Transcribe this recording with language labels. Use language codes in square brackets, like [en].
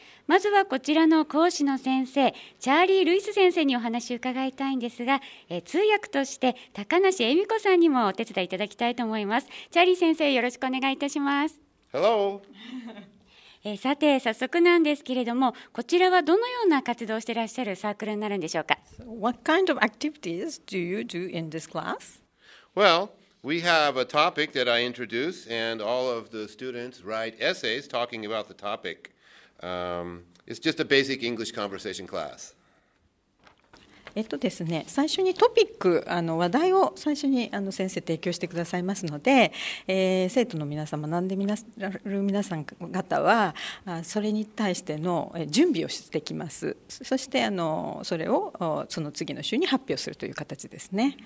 [ja] まずはこちらの講師の先生、チャーリー・ルイス先生にお話を伺いたいんですが、通訳として高梨恵美子さんにもお手伝いいただきたいと思います。チャーリー先生、よろしくお願いいたします。 [en] Hello。 [ja] さて、早速なんですけれども、こちらはどのような活動をしていらっしゃるサークルになるんでしょうか。 [en] What kind of activities do you do in this class? Well, we have a topic that I introduce, and all of the students write essays talking about the topic. It's just a basic English conversation class. [ja] ですね、最初にトピック、話題を最初に先生提供してくださいますので、生徒の皆様、何で皆る皆さん方はそれに対しての準備をしてきます。そしてそれをその次の週に発表するという形ですね。